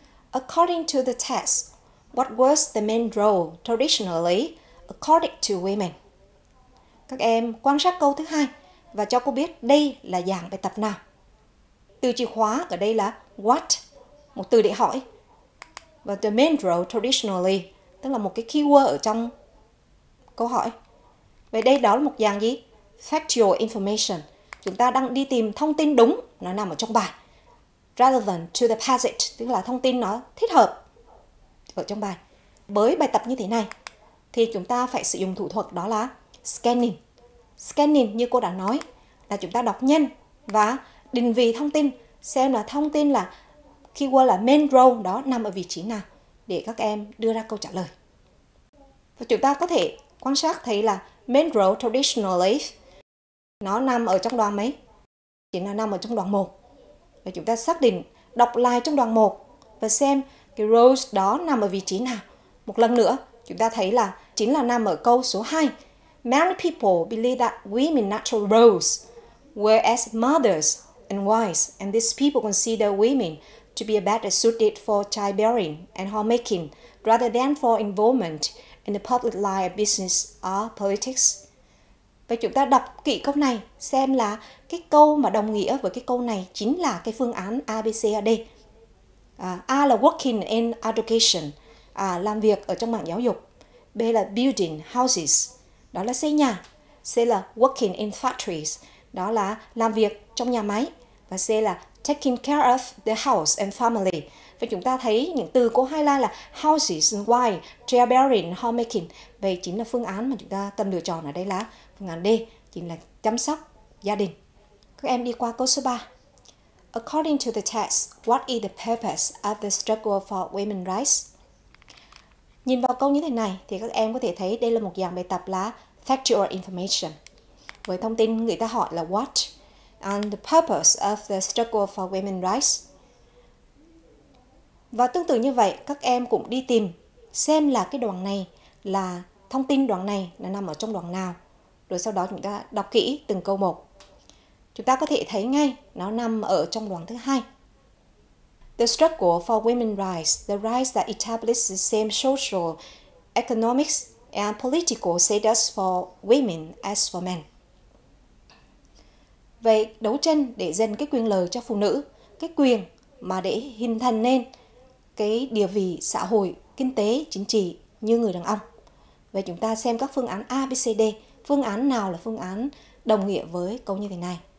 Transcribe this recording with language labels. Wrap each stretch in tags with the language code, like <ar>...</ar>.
<en>According to the text, what was the main role traditionally according to women?</en> <vi>Các em quan sát câu thứ 2 và cho cô biết đây là dạng bài tập nào. Từ chìa khóa ở đây là what, một từ để hỏi. Và</vi> <en>the main role traditionally,</en> <vi>tức là một cái keyword ở trong câu hỏi. Vậy đây đó là một dạng gì?</vi> <en>Factual information.</en> <vi>Chúng ta đang đi tìm thông tin đúng, nó nằm ở trong bài.</vi> <en>Relevant to the passage,</en> <vi>tức là thông tin nó thích hợp ở trong bài. Với bài tập như thế này, thì chúng ta phải sử dụng thủ thuật đó là scanning. Scanning như cô đã nói là chúng ta đọc nhanh và định vị thông tin, xem là thông tin là keyword là main role đó nằm ở vị trí nào để các em đưa ra câu trả lời. Và chúng ta có thể quan sát thấy là</vi> <en>main role traditionally</en> <vi>nó nằm ở trong đoạn mấy? Chỉ là nằm ở trong đoạn 1. Và chúng ta xác định đọc lại trong đoạn 1 và xem cái role đó nằm ở vị trí nào. Một lần nữa, chúng ta thấy là chính là nằm ở câu số 2.</vi> <en>Many people believe that women natural roles were as mothers and wives, and these people consider women to be a better suited for childbearing and homemaking rather than for involvement in the public life, business or politics.</en> <vi>Vậy chúng ta đọc kỹ câu này xem là cái câu mà đồng nghĩa với cái câu này chính là cái phương án A, B, C, D. A là</vi> <en>working in education,</en> <vi>làm việc ở trong mạng giáo dục. B là</vi> <en>building houses,</en> <vi>đó là xây nhà. C là</vi> <en>working in factories,</en> <vi>đó là làm việc trong nhà máy. Và C là</vi> <en>taking care of the house and family.</en> <vi>Và chúng ta thấy những từ cô highlight là houses, wife, childbearing, homemaking. Vậy chính là phương án mà chúng ta cần lựa chọn ở đây là phương án D, chính là chăm sóc gia đình. Các em đi qua câu số 3.</vi> <en>According to the text, what is the purpose of the struggle for women's rights?</en> <vi>Nhìn vào câu như thế này thì các em có thể thấy đây là một dạng bài tập là factual information. Với thông tin người ta hỏi là</vi> <en>what and the purpose of the struggle for women's rights.</en> <vi>Và tương tự như vậy, các em cũng đi tìm xem là cái đoạn này là thông tin đoạn này nó nằm ở trong đoạn nào. Rồi sau đó chúng ta đọc kỹ từng câu một. Chúng ta có thể thấy ngay nó nằm ở trong đoạn thứ hai.</vi> <en>The struggle for women's rights, the rights that establish the same social, economic and political status for women as for men.</en> <vi>Vậy đấu tranh để giành cái quyền lợi cho phụ nữ, cái quyền mà để hình thành nên cái địa vị xã hội, kinh tế, chính trị như người đàn ông. Vậy chúng ta xem các phương án A, B, C, D. Phương án nào là phương án đồng nghĩa với câu như thế này?</vi>